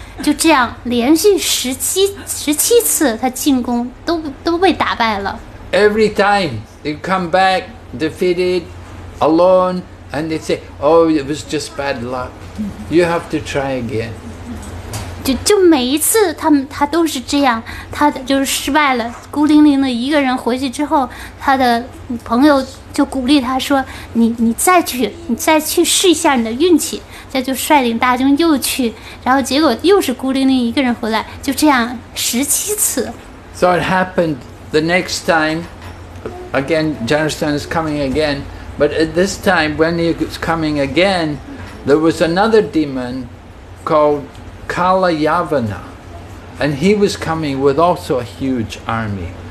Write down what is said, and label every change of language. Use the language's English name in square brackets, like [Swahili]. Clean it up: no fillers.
[Chinese] 就这样连续十七次他进攻 都被打败了。 [English] Every time they come back defeated alone and they say, oh, it was just bad luck, you have to try again. [Chinese] 就每一次他都是这样，他就是失败了，孤零零的一个人回去之后，他的朋友就鼓励他说 你再去试一下你的运气。他就率领大军又去，然后结果又是孤零零一个人回来，就这样十七次。 [English] So it happened the next time again, Jarasandha is coming again, but at this time when he was coming again, there was another demon called Kala Yavana, and he was coming with also a huge army.